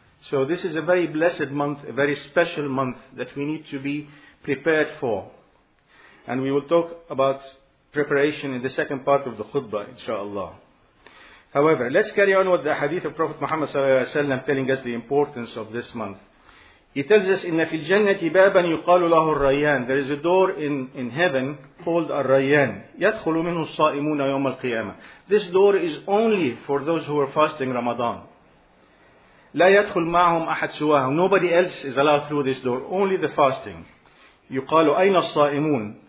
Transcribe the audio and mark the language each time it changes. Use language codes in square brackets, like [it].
[en] So this is a very blessed month, a very special month that we need to be prepared for. And we will talk about preparation in the second part of the khutbah, inshaAllah. However, let's carry on with the hadith of Prophet Muhammad sallallahu alayhi wa sallam telling us the importance of this month. He tells us, [ar] إِنَّ فِي الْجَنَّةِ بَابًا يُقَالُ لَهُ الرَّيَّانِ. [en] There is a door in heaven called الرَّيَّانِ. [ar] يَدْخُلُ مِنْهُ الصَّائِمُونَ يَوْمَ الْقِيَامَةِ. [en] This door is only for those who are fasting Ramadan. [ar] لَا يَدْخُلْ مَعْهُمْ أَحَدْ سُوَاهُمْ. [en] Nobody else is allowed through this door, only the fasting. [ar] يُقَالُ أَيْنَ الصَّائِمُونَ.